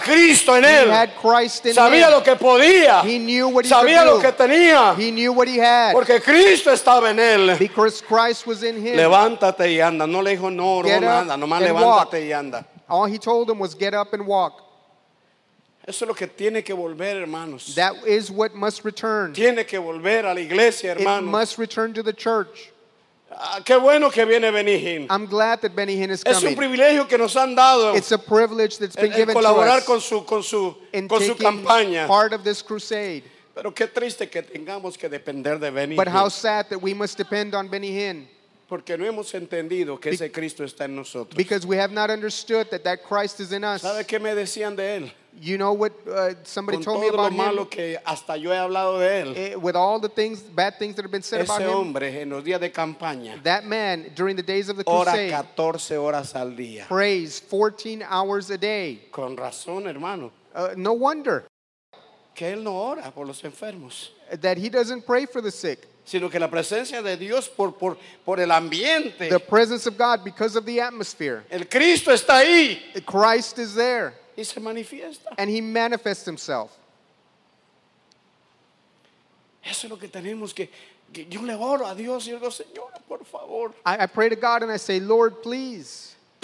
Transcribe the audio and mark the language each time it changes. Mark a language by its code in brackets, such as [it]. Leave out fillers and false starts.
[es] Tenía a Cristo en él. [en] He had Christ. [es] Sabía lo que podía. [en] He knew what he [es] sabía [en] could [es] lo que tenía. [en] He knew what he had. [es] Porque Cristo estaba en él. [en] Because Christ was in him. [es] Levántate y anda. No le dijo no, oró, [en] get up [es] nada. Nomás [en] and [es] levántate [en] walk. [es] Y anda. [en] All he told him was get up and walk. [es] Eso es lo que tiene que volver, hermanos. [en] That is what must return. [es] Tiene que volver a la iglesia, hermanos. [en] It must return to the church. [es] Qué bueno que viene Benny Hinn. [en] I'm glad that Benny Hinn is coming. [es] Es un privilegio que nos han dado. [en] It's a privilege that's been given to us. [es] Colaborar con su campaña. [en] Part of this crusade. [es] Pero qué triste que tengamos que depender de Benny Hinn. [en] But how sad that we must depend on Benny Hinn. [es] Porque no hemos entendido que ese Cristo está en nosotros. [en] Because we have not understood that Christ is in us. [es] ¿Sabe qué me decían de él? [en] You know what somebody told me about him? [es] Con todo lo malo que hasta yo he hablado de él. [en] With all the things, bad things that have been said about him. [es] Ese hombre en los días de campaña. [en] That man, during the days of the crusade. [es] Ora 14 horas al día. [en] Prays 14 hours a day. [es] Con razón, hermano. [en] No wonder. [es] Que él no ora por los enfermos. [en] That he doesn't pray for the sick. [es] Sino que la presencia de Dios por el ambiente. [en] The presence of God because of the atmosphere. [es] El Cristo está ahí. [en] Christ is there. [es] Y se manifiesta. [en] And he manifests himself. [es] Eso es lo que tenemos que yo le oro a Dios y le digo, Señor, por favor. [en] I pray to God and I say, Lord, please.